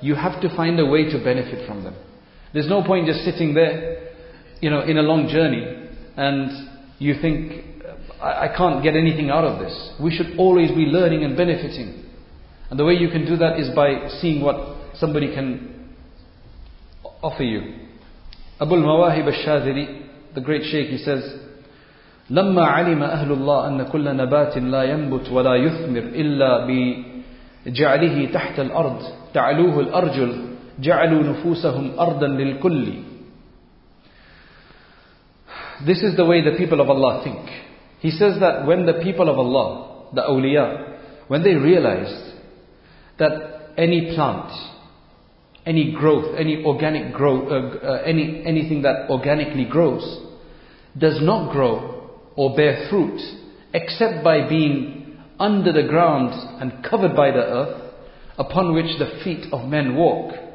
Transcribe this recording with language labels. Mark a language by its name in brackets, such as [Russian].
[English] You have to find a way to benefit from them. There's no point just sitting there, in a long journey, and you think, I can't get anything out of this. We should always be learning and benefiting. And the way you can do that is by seeing what somebody can offer you. [Arabic] Abu al-Mawahib al-Shaziri, [English] the great Shaykh, he says, [Arabic] لما علم أهل الله أن كل نبات لا ينبت ولا يثمر إلا بجعله تحت الأرض تعلوه الأرجل جعلوا نفوسهم أرضا للكل. [English] This is the way the people of Allah think. He says that when the people of Allah, the awliya, when they realized that any plant, any growth, any organic growth, anything that organically grows, does not grow or bear fruit except by being under the ground and covered by the earth upon which the feet of men walk.